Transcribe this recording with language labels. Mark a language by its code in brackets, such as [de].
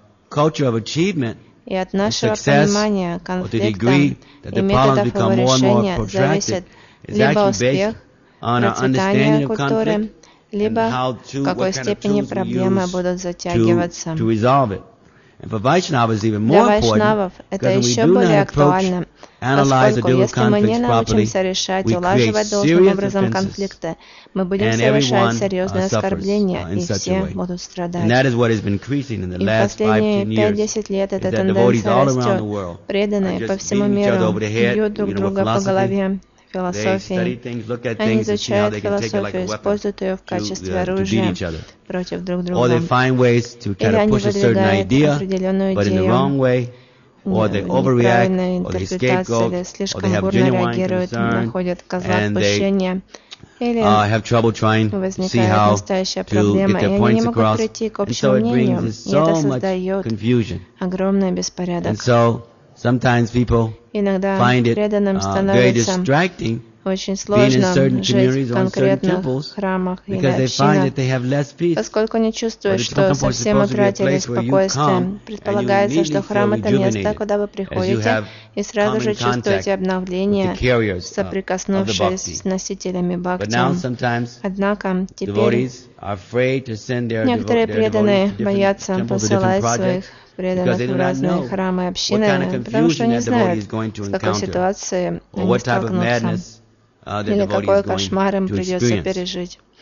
[en] Culture of achievement [ru] И от нашего понимания конфликтов и методов его решения зависит либо успех процветания культуры, либо в какой степени проблемы будут затягиваться. [en] For Vaishnavas, even more important, because if we do not approach, analyze the dual conflicts properly, we create serious differences, and everyone suffers in and that is what has been increasing in the last 5-10 years, is that devotees all around the world are just beating each other over the head, you know, with philosophy. [ru] Философии. Они изучают философию, используют ее в качестве оружия против друг друга. Или они выдвигают определенную идею неправильной интерпретации, или слишком бурно реагируют, находят козла отпущения, или возникает настоящая проблема, и они не могут прийти к общему мнению, и это создает огромный беспорядок. [en] Sometimes people [ru] иногда [en] find it very distracting [ru] очень сложно [en] being in certain communities or in certain temples because they find that they have less peace. [ru] Поскольку не чувствуют, что совсем утратили спокойствие, предполагается, что храм это место, куда вы приходите, и сразу же чувствуете обновление, соприкоснувшись с носителями бхакти. Однако теперь некоторые преданные боятся посылать своих преданных в разные храмы и общины, потому что не знают, с какой ситуацией они столкнутся или какой кошмар им придется пережить.